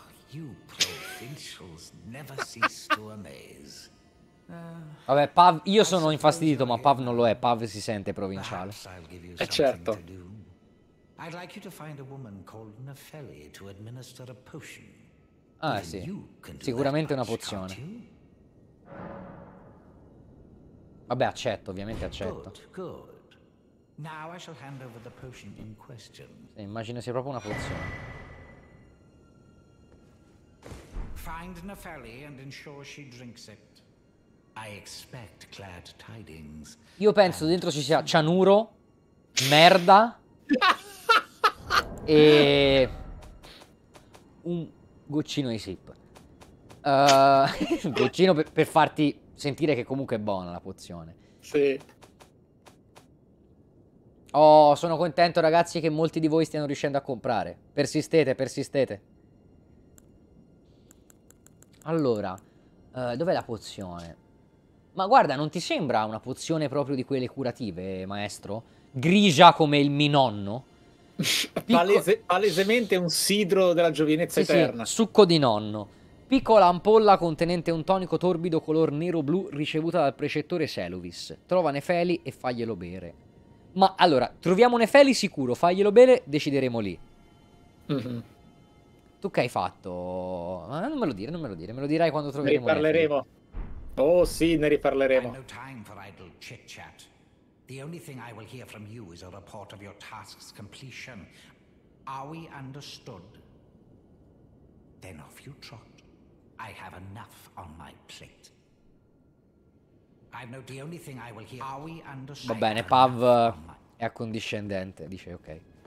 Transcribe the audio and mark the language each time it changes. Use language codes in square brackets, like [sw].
[en] You provincials never cease to amaze. [it] Vabbè, Pav, io sono infastidito, ma Pav non lo è. Pav si sente provinciale. Certo. [en] I'd like you to find a woman called Nefeli to administer a potion. [it] Ah, sì. Sicuramente una pozione. Vabbè, accetto, ovviamente accetto. [en] Good. Now I shall hand over the potion in question. [it] Immagino sia proprio una pozione. [en] Find Nefeli and ensure she drinks it. I expect glad tidings. [it] Io penso dentro ci sia cianuro, merda e un goccino di sip. Goccino per farti sentire che comunque è buona la pozione. Sì. Oh, sono contento ragazzi che molti di voi stiano riuscendo a comprare. Persistete. Allora, dov'è la pozione? Ma guarda, non ti sembra una pozione proprio di quelle curative, maestro? Grigia come il minonno? Palesemente un sidro della giovinezza eterna. Sì, succo di nonno. Piccola ampolla contenente un tonico torbido color nero-blu ricevuta dal precettore Seluvis. Trova Nefeli e faglielo bere. Ma allora, troviamo Nefeli sicuro, faglielo bere, decideremo lì. Mm-hmm. Tu che hai fatto? Non me lo dire, me lo dirai quando troveremo Nefeli. Ne riparleremo. Oh sì, ne riparleremo. [en] I have no time for idle chit-chat. The only thing I will hear from you is a report of your task's completion. Are we understood? Then off you trot. I have enough on my plate. I've no, the only thing I will hear. Are we understood? [it] Va bene, Pav è accondiscendente. Dice ok.